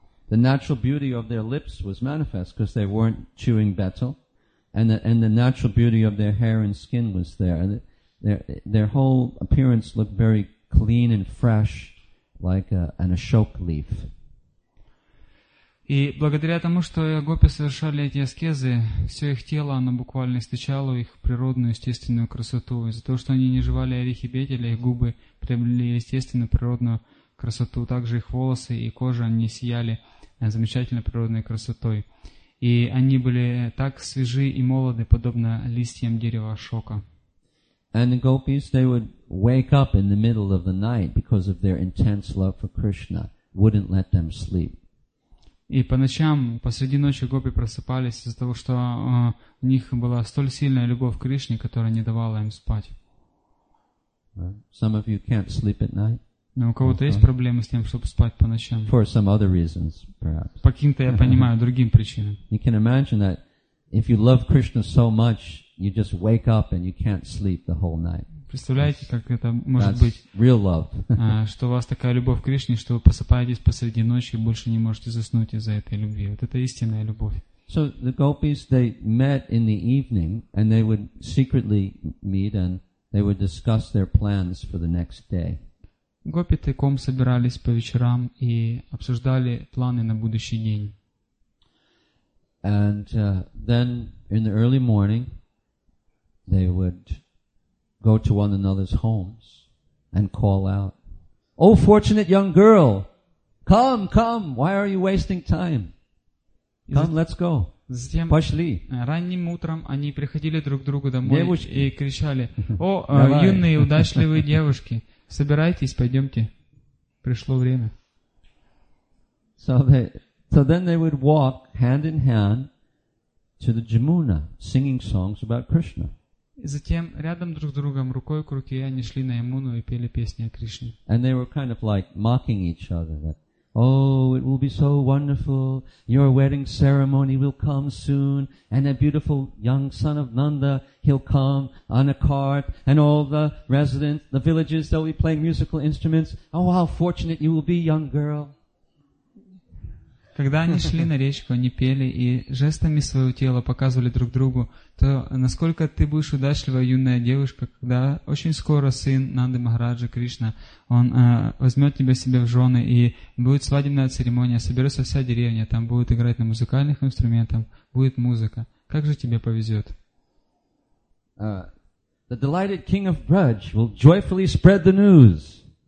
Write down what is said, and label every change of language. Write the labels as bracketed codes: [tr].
[en] The natural beauty of their lips was manifest because they weren't chewing betel, and the natural beauty of their hair and skin was there. And their whole appearance looked very clean and fresh, like an ashok leaf. [ru] И благодаря тому, что гопи совершали эти аскезы, все их тело, оно буквально источало их природную, естественную красоту. Из-за того, что они не жевали орехи бетеля, их губы приобрели естественную, природную красоту. Также их волосы и кожа, они сияли замечательной природной красотой. И они были так свежи и молоды, подобно листьям дерева ашока. [en] And the gopis, they would wake up in the middle of the night because of their intense love for Krishna, wouldn't let them sleep. [ru] И по ночам, посреди ночи гопи просыпались из-за того, что у них была столь сильная любовь к Кришне, которая не давала им спать. [en] Some of you can't sleep at night. [ru] Но у кого-то есть проблемы с тем, чтобы спать по ночам? [en] For some other reasons, perhaps. [ru] По каким-то, я понимаю, другим причинам. [en] You can imagine that if you love Krishna so much, you just wake up and you can't sleep the whole night. [ru] Представляете, как это может быть, [en] real love. [ru] Что у вас такая любовь к Кришне, что вы просыпаетесь посреди ночи и больше не можете заснуть из-за этой любви. Вот это истинная любовь. [en] So the gopis, they met in the evening, and they would secretly meet, and they would discuss their plans for the next day. [ru] Гопи тайком собирались по вечерам и обсуждали планы на будущий день. [en] And then in the early morning, they would go to one another's homes and call out, "Oh, fortunate young girl, come, come, why are you wasting time? Come, let's go." [ru] Затем, пошли. Ранним утром они приходили друг к другу домой девушки. И кричали: «О, давай. Юные удачливые девушки, собирайтесь, пойдемте, пришло время». [en] So then they would walk hand in hand to the Jamuna, singing songs about Krishna. [ru] Затем рядом друг с другом, рукой к руке, они шли на Ямуну и пели песни о Кришне. [en] And they were kind of like mocking each other. That, oh, it will be so wonderful. Your wedding ceremony will come soon, and a beautiful young son of Nanda, he'll come on a cart, and all the residents, the villages, they'll be playing musical instruments. Oh, how fortunate you will be, young girl. [ru] Когда они шли на речку, они пели и жестами своего тела показывали друг другу, то насколько ты будешь удачливая юная девушка, когда очень скоро сын Нанды Махараджа Кришна, он возьмет тебя себе в жены, и будет свадебная церемония, соберется вся деревня, там будут играть на музыкальных инструментах, будет музыка. Как же тебе повезет? [en] The delighted king of Braj will joyfully spread the news.